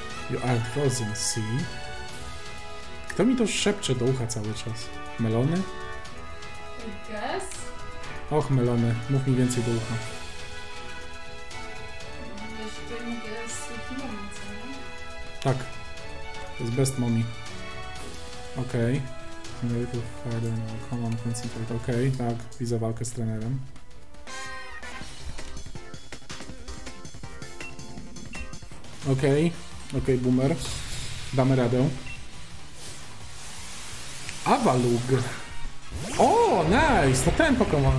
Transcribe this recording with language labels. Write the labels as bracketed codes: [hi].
[en] You are frozen, see? [pl] Kto mi to szepcze do ucha cały czas? Melony? [en] I guess? [pl] Och, melony, mów mi więcej do ucha. Wiesz, to nie jest mommy, co nie? Tak. To jest best mommy. Okej. Okay. [en] A little harder now, come on, concentrate. [pl] Okej, okay, tak, widzę walkę z trenerem. Okej, okay. Okej, okay, boomer. Damy radę. Avalug. O, [en] nice! [pl] To ten Pokémon.